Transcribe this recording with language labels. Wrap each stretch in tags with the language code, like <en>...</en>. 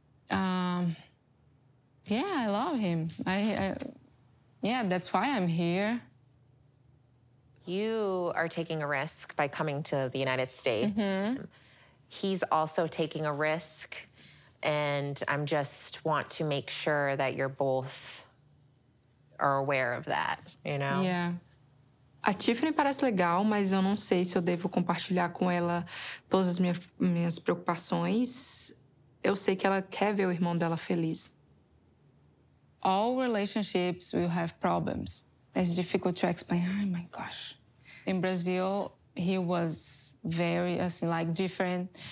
<en>Yeah, I love him. Yeah, that's why I'm here. You are taking a risk by coming to the United States. Mm-hmm. He's also taking a risk, and I just want to make sure that you're both are aware of that, you know?</en> <pt>Yeah. A Tiffany parece legal, mas eu não sei se eu devo compartilhar com ela todas as minhas preocupações. Eu sei que ela quer ver o irmão dela feliz.</pt> <en>All relationships will have problems. It's difficult to explain. Oh my gosh. In Brazil, he was very, like, different.</en>